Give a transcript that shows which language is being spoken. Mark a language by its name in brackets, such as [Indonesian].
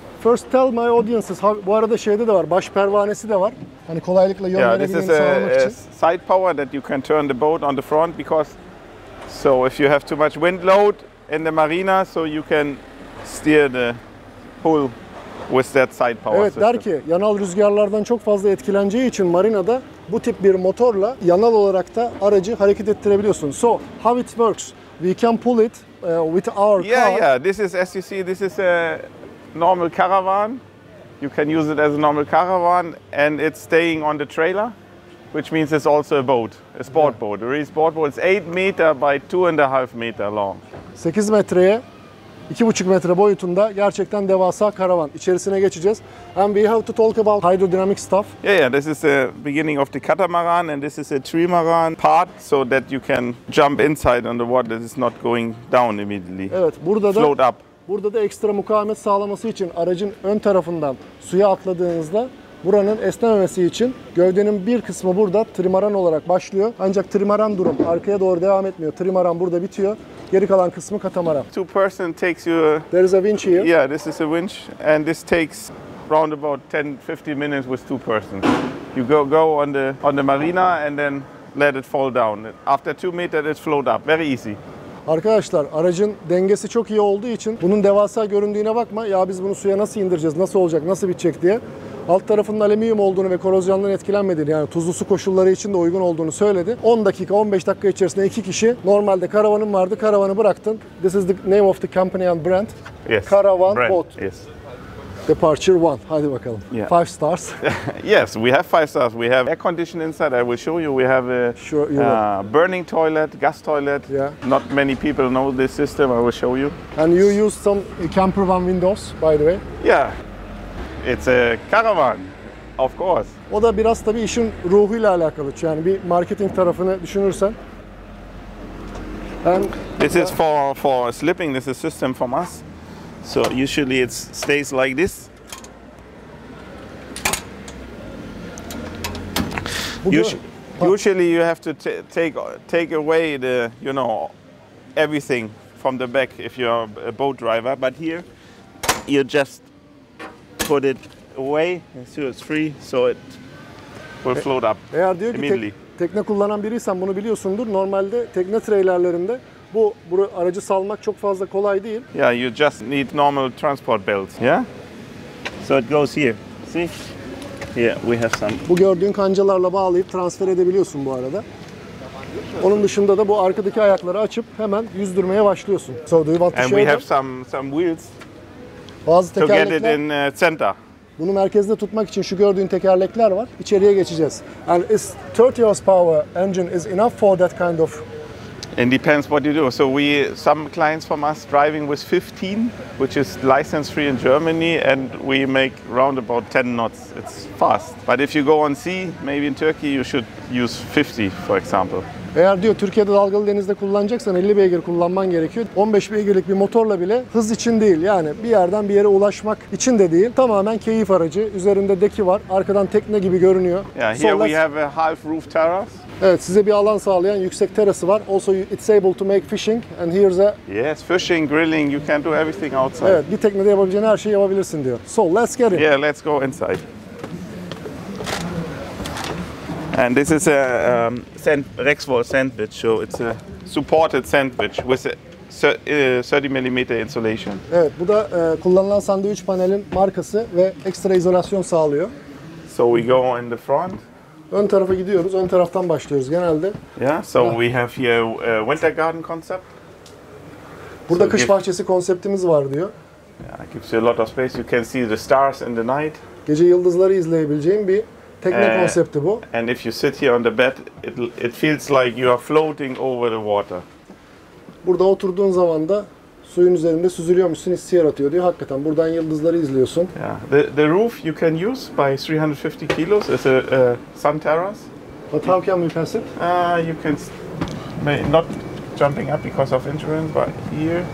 [English] first, tell my audiences. [Turkish] Bu arada şeyde de var, baş pervanesi de var. Hani kolaylıkla yön verebilmek için. [English] Yeah, this is a side power that you can turn the boat on the front because so if you have too much wind load in the marina, so you can steer the hull with that side power. [Turkish] Evet, [English] system. [Turkish] Der ki yanal rüzgarlardan çok fazla etkileneceği için marinada bu tip bir motorla yanal olarak da aracı hareket ettirebiliyorsun. [English] So how it works? We can pull it with our yeah, car. Yeah, yeah. This is as you see. This is a normal caravan. You can use it as a normal caravan and it's staying on the trailer, which means it's also a boat, a sport boat, a real sport boat. It's 8 meter by 2.5 meter long. [Turkish] 8 metreye 2.5 metre boyutunda gerçekten devasa karavan. İçerisine geçeceğiz. [English] And we have to talk about hydrodynamic stuff. Yeah, yeah, this is the beginning of the catamaran and this is a trimaran part so that you can jump inside on the water. This is not going down immediately. [Turkish] Evet, burada da [English] float up. [Turkish] Burada da ekstra mukavemet sağlaması için aracın ön tarafından suya atladığınızda buranın esnememesi için gövdenin bir kısmı burada trimaran olarak başlıyor. Ancak trimaran durum arkaya doğru devam etmiyor. Trimaran burada bitiyor. Geri kalan kısmı katamaran. [English] Two person takes you. There is a winch here. Yeah, this is a winch and this takes round about 10-15 minutes with two person. You go on the marina and then let it fall down. After 2 meters it float up. Very easy. [Turkish] Arkadaşlar aracın dengesi çok iyi olduğu için bunun devasa göründüğüne bakma. Ya biz bunu suya nasıl indireceğiz, nasıl olacak, nasıl bitecek diye. Alt tarafının alüminyum olduğunu ve korozyondan etkilenmediğini, yani tuzlu su koşulları için de uygun olduğunu söyledi. 10 dakika 15 dakika içerisinde iki kişi, normalde karavanım vardı, karavanı bıraktın. [English] This is the name of the company and brand. Yes. Caravan brand. Boat. Yes. [Turkish] Departure 1. Hadi bakalım. [English] Yeah. 5 stars. Yes, we have 5 stars. We have air condition inside. I will show you. We have a burning toilet, gas toilet. Yeah. Not many people know this system. I will show you. And you use some camper van windows, by the way. Yeah. It's a caravan, of course. [Turkish] O da biraz tabii işin ruhuyla alakalı. Yani bir marketing tarafını düşünürsen. [English] And this is for sleeping. This is a system from us. So usually it stays like this. Usually you have to take away the, you know, everything from the back if you are a boat driver. But here you just put it away, so it's free, so it will float up. [Turkish] Eğer diyor ki tekne kullanan biriysen bunu biliyorsundur. Normalde tekne trailerlerinde bu aracı salmak çok fazla kolay değil. [English] Yeah, you just need normal transport belts. Yeah. So it goes here. See? Yeah, we have some. [Turkish] Bu gördüğün kancalarla bağlayıp transfer edebiliyorsun bu arada. Onun dışında da bu arkadaki ayakları açıp hemen yüzdürmeye başlıyorsun. [English] So do you want to show? And we have some wheels. [Turkish] Bazı tekerlekler. [English] To get it in center. [Turkish] Bunu merkezde tutmak için şu gördüğün tekerlekler var. İçeriye geçeceğiz. [English] And is 30 horsepower engine is enough for that kind of? It depends what you do. So we some clients from us driving with 15, which is license free in Germany, and we make round about 10 knots. It's fast. But if you go on sea, maybe in Turkey, you should use 50, for example. [Turkish] Eğer diyor Türkiye'de dalgalı denizde kullanacaksan 50 beygir kullanman gerekiyor. 15 beygirlik bir motorla bile hız için değil, yani bir yerden bir yere ulaşmak için de değil. Tamamen keyif aracı. Üzerinde deki var. Arkadan tekne gibi görünüyor. [English] Yeah, here we have a half roof terrace. [Turkish] Evet, size bir alan sağlayan yüksek terası var. [English] Also it's able to make fishing and here's a... Yes, fishing, grilling, you can do everything outside. [Turkish] Evet, bir teknede yapabileceğin her şeyi yapabilirsin diyor. [English] So let's get in. Yeah, let's go inside. And this is a Rexwall sandwich, so it's a supported sandwich with a 30 millimeter insulation. [Turkish] Evet, bu da kullanılan sandviç panelin markası ve ekstra izolasyon sağlıyor. [English] So we go in the front. [Turkish] Ön tarafa gidiyoruz, ön taraftan başlıyoruz genelde. [English] Yeah, so we have here a winter garden concept. [Turkish] Burada so kış bahçesi konseptimiz var diyor. [English] Yeah, it gives you a lot of space. You can see the stars in the night. [Turkish] Gece yıldızları izleyebileceğin bir tekne konsepti bu. [English] And if you sit here on the bed, it feels like you are floating over the water. [Turkish] Burada oturduğun zaman da suyun üzerinde süzülüyormuşsun hissi yaratıyor diyor. Hakikaten buradan yıldızları izliyorsun. [English] Yeah. The roof you can use by 350 kilos as a sun terrace. But how can we pass it? You can not jumping up because of insurance, but here.